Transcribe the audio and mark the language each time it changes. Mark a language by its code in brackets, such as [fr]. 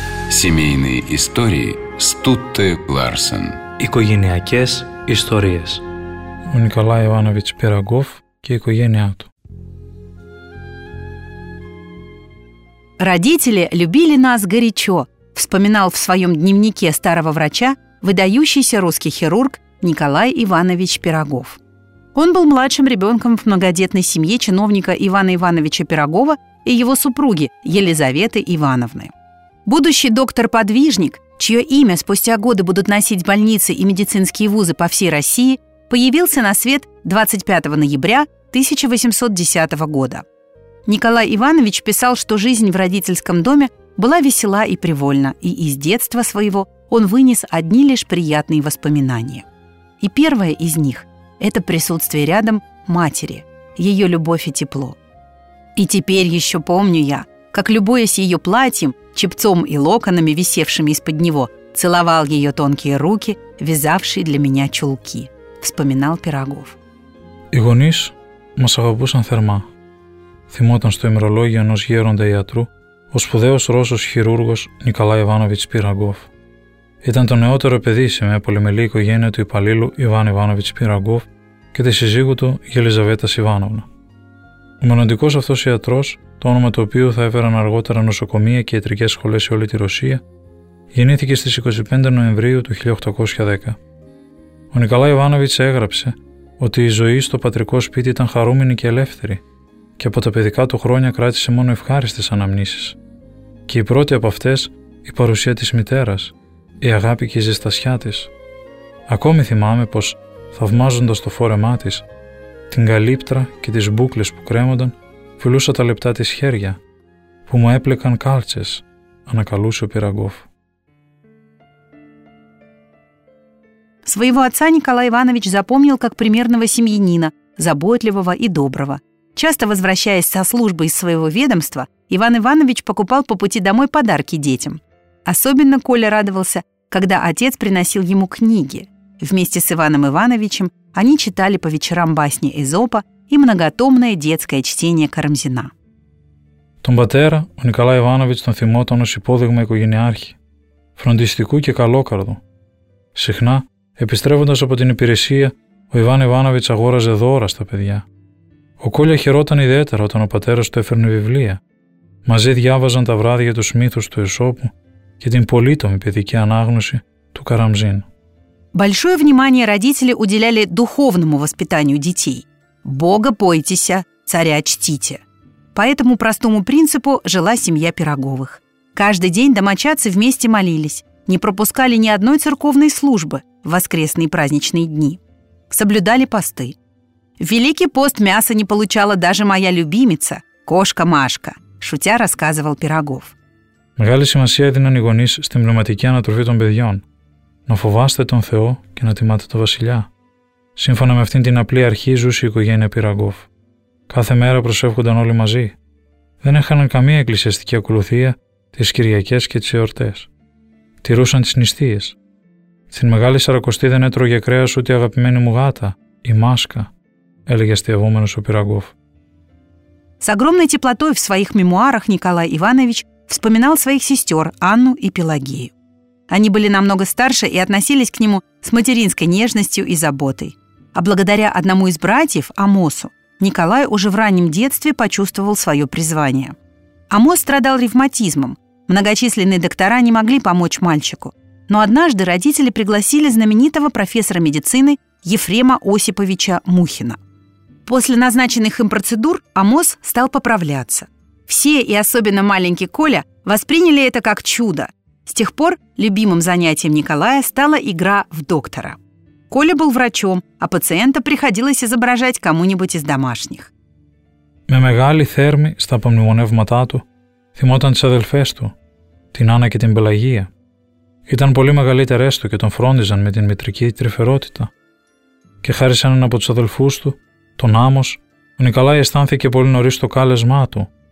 [ru] Семейные истории Стутте Ларсен. [el] Οικογενειακές ιστορίες. Ο Νικολάι Ιωάννοβιτς Πιραγκόφ και η οικογένειά του. [ru] Родители любили нас горячо, вспоминал в своем дневнике старого врача выдающийся русский хирург Николай Иванович Пирогов. Он был младшим ребенком в многодетной семье чиновника Ивана Ивановича Пирогова и его супруги Елизаветы Ивановны. Будущий доктор-подвижник, чье имя спустя годы будут носить больницы и медицинские вузы по всей России, появился на свет 25 ноября 1810 года. Николай Иванович писал, что жизнь в родительском доме была весела и привольна, и из детства своего он вынес одни лишь приятные воспоминания. И первое из них – это присутствие рядом матери, ее любовь и тепло. «И теперь еще помню я, как, любуясь ее платьем, чепцом и локонами, висевшими из-под него, целовал ее тонкие руки, вязавшие для меня чулки», – вспоминал Пирогов. [el] «Οι γονείς μας αγαπούσαν θερμά. Θυμόταν στο ημερολόγιο ενός γέροντα ιατρού ο σπουδαίος Ρώσος χειρούργος Νικολάι Ιβάνοβιτς Πιραγκόφ. Ήταν το νεότερο παιδί σε μια πολυμελή οικογένεια του υπαλλήλου Ιβάν Ιβάνοβιτς Πιραγκόφ και τη σύζυγου του Ελιζαβέτα Ιβάνοβνα. Ο μοναδικός αυτός ιατρός, το όνομα του οποίου θα έφεραν αργότερα νοσοκομεία και ιατρικές σχολές σε όλη τη Ρωσία, γεννήθηκε στις 25 Νοεμβρίου του 1810. Ο Νικολάι Ιβάνοβιτς έγραψε ότι η ζωή στο πατρικό σπίτι ήταν χαρούμενη και ελεύθερη και από τα παιδικά του χρόνια κράτησε μόνο ευχάριστες αναμνήσεις. Και η πρώτη από αυτές, η παρουσία της μητέρας, η αγάπη και η ζεστασιά της. Ακόμη θυμάμαι πως, θαυμάζοντας το φόρεμά της, την καλύπτρα και τις μπούκλες που κρέμονταν, φιλούσα τα λεπτά της χέρια, που μου έπλεκαν κάλτσες, ανακαλούσε ο Πιραγκόφ. [ru] Своего отца Николай Иванович запомнил как примерного семьянина, заботливого и доброго. Часто возвращаясь со службы из своего ведомства, Иван Иванович покупал по пути домой подарки детям. Особенно Коля радовался, когда отец приносил ему книги. Вместе с Иваном Ивановичем они читали по вечерам басни Эзопа и многотомное детское чтение Карамзина. [el] Тон патера у Николая Ивановича тон θυμόταν ως υπόδειγμα οικογενειάρχη, φροντιστικού και καλόκαρδου. Συχνά, επιστρέφοντας από την υπηρεσία, ο Ιβάν Ιβάνοβιτς αγόραζε δώρα στα παιδιά. Ο Κόλια χαιρόταν ιδιαίτερα όταν ο πατέρας του έφερνε βιβλία. Μαζί διάβαζαν τα βράδια τους μύθους του Εσώπου και την πολύτομη παιδική ανάγνωση του Καραμζίν. [ru] Большое внимание родители уделяли духовному воспитанию детей. «Бога бойтесь, царя чтите». По этому простому принципу жила семья Пироговых. Каждый день домочадцы вместе молились, не пропускали ни одной церковной службы в воскресные праздничные дни. Соблюдали посты. «Великий пост мяса не получала даже моя любимица, кошка Машка», шутя рассказывал Пирогов. [el] Мегάλη сημασία έδιναν οι γονείς στην πνευματική ανατροφή των παιδιών. Να φοβάστε τον Θεό και να τιμάτε το Βασιλιά. Σύμφωνα με αυτήν την απλή αρχή ζούσε η οικογένεια Πιραγκόφ. Κάθε μέρα προσεύχονταν όλοι μαζί. Δεν έχαναν καμία εκκλησιαστική ακολουθία τις Κυριακές και τις εορτές. Τηρούσαν τις νηστείες. Στην Μεγάλη Σαρακοστή δεν έτρωγε κρέας ούτε η αγαπημένη μου γάτα, η Μάσκα, έλεγε αστειευόμενος ο Πιραγκόφ. [ru] С огромной теплотой в своих мемуарах Николай Иванович вспоминал своих сестер Анну и Пелагею. Они были намного старше и относились к нему с материнской нежностью и заботой. А благодаря одному из братьев, Амосу, Николай уже в раннем детстве почувствовал свое призвание. Амос страдал ревматизмом. Многочисленные доктора не могли помочь мальчику. Но однажды родители пригласили знаменитого профессора медицины Ефрема Осиповича Мухина. После назначенных им процедур Амос стал поправляться. Все, и особенно маленький Коля, восприняли это как чудо. С тех пор любимым занятием Николая стала игра в доктора. Коля был врачом, а пациента приходилось изображать кому-нибудь из домашних. [el] Με μεγάλη θέρμη στα απομνημονεύματά του θυμόταν τις αδελφές του, την Άννα και την Πελαγία. Ήταν πολύ μεγαλύτερές του και τον φρόντιζαν με την μητρική τρυφερότητα. Και χάρη σε έναν από τους αδελφούς του, τον Άμος, ο Νικολάι αισθάνθηκε πολύ νωρίς το κάλεσμά του.